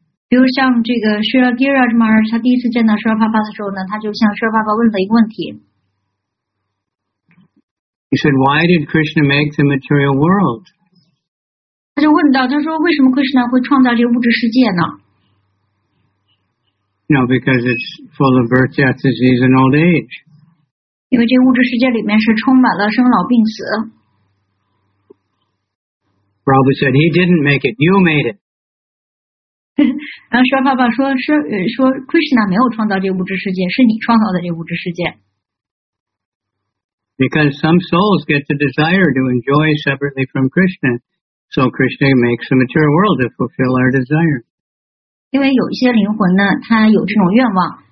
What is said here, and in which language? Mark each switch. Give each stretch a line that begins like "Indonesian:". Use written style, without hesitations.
Chinese: 比如像这个 Srila Giriraj Maharaj, 他第一次见到 Srila Prabhupada 的时候呢，他就向 Srila Prabhupada 问了一个问题。
English: He said, "Why did Krishna make the material world?"
Chinese: 他就问到，他说为什么 Krishna 会创造这个物质世界呢？
English: No, because it's full of birth, death, disease, and old age.
Chinese: 因为这物质世界里面是充满了生老病死。
English: Prabhupada said, he didn't make it, you made it.
Chinese: 然后 Srila Prabhupada 说 Krishna 没有创造这物质世界，是你创造的这物质世界。
English: Because some souls get the desire to enjoy separately from Krishna, so Krishna makes the material world to fulfill our desire.
Chinese: 因为有一些灵魂呢，他有这种愿望。